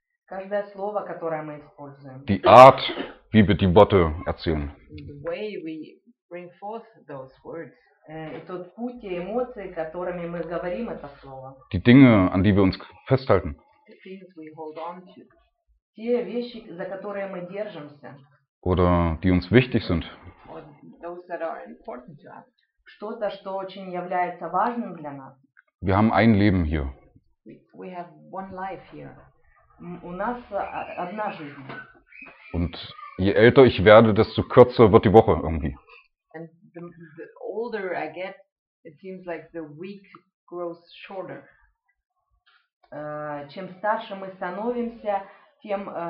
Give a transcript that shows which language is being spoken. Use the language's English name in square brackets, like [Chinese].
[Russian] Каждое слово, которое мы используем. [German] Die Art, wie wir die Worte erzählen. [English] The way we bring forth those words. [Russian] И тот путь и эмоции, которыми мы говорим это слово. [German] Die Dinge, an die wir uns festhalten. [English] The things we hold on to. [Russian] Те вещи, за которые мы держимся. [German] Oder die uns wichtig sind. [English] Those that are important to us. [Russian] Что-то, что очень является важным для нас. [German] Wir haben ein Leben hier. [English] We have one life here. [Russian] У нас одна жизнь. [German] Und je älter ich werde, desto kürzer wird die Woche irgendwie. [English] And the older I get, it seems like the week grows shorter. [Russian] Чем старше мы становимся, тем